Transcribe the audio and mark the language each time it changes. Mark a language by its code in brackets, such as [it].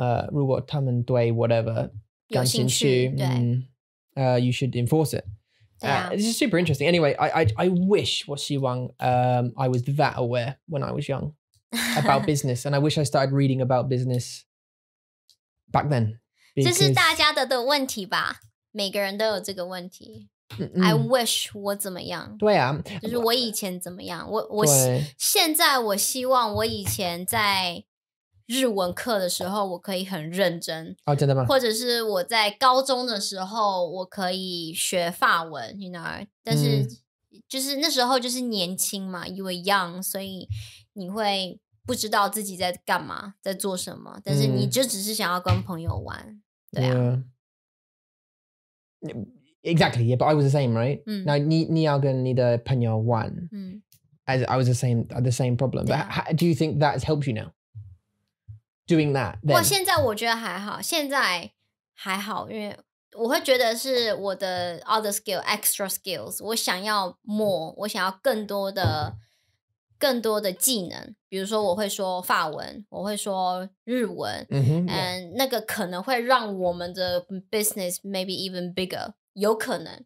[zh] 如果他们对 whatever, 感兴趣, you should enforce it. [en] This is super interesting. Anyway, I wish, 我希望, I was that aware when I was young about business. And I wish I started reading about business back then. [zh] 这是大家的问题吧每个人都有这个问题。 I wish 我怎么样对啊就是我以前怎么样我现在我希望我以前在日文课的时候我可以很认真。哦真的吗或者是我在高中的时候我可以学法文 you know? 但是就是那时候就是年轻嘛 you were young, 所以你会。不知道自己在干嘛在做什么但是你就只是想要跟朋友玩对啊、 [en] Exactly, yeah, but I was the same, right? Now, 你要跟你的朋友玩、 As I was the same problem,、啊、 but do you think that has helped you now? Doing that, then? [zh] 现在我觉得还好现在还好因为我会觉得是我的 other skill, extra skills, 我想要 more, 我想要更多的技能比如说我会说法文我会说日文、那个可能会让我们的 business maybe even bigger 有可能